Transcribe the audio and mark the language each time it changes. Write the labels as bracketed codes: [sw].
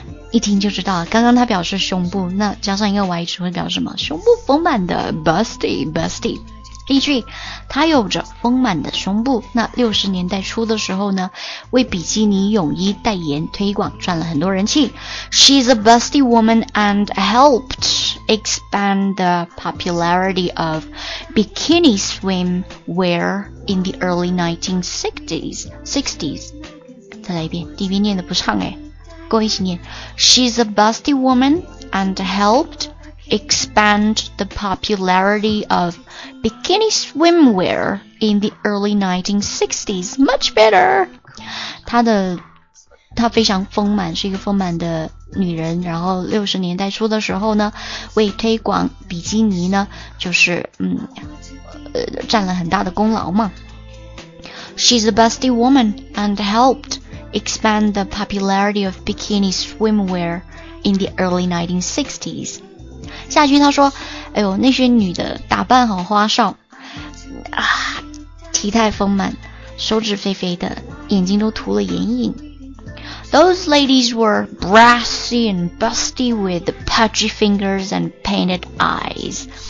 [zh] 一听就知道刚刚他表示胸部，那加上一个 Y 值会表示什么？胸部丰满的 busty busty。例句，他有着丰满的胸部。那60年代初的时候呢，为比基尼泳衣代言推广赚了很多人气。 [en] She's a busty woman and helped expand the popularity of bikini swimwear in the early 1960s. [zh] 再来一遍，第一遍念得不畅哎。 [en] She's a busty woman and helped expand the popularity of bikini swimwear in the early 1960s. Much better. [zh] 她非常丰满，是一个丰满的女人。然后60年代初的时候呢，为推广比基尼呢，就是占了很大的功劳嘛。 [en] She's a busty woman and helped. Expand the popularity of bikini swimwear in the early 1960s. [zh] 下句他说，哎呦，那些女的打扮好花哨，啊，体态丰满，手指肥肥的，眼睛都涂了眼影。 [en] Those ladies were brassy and busty with pudgy fingers and painted eyes.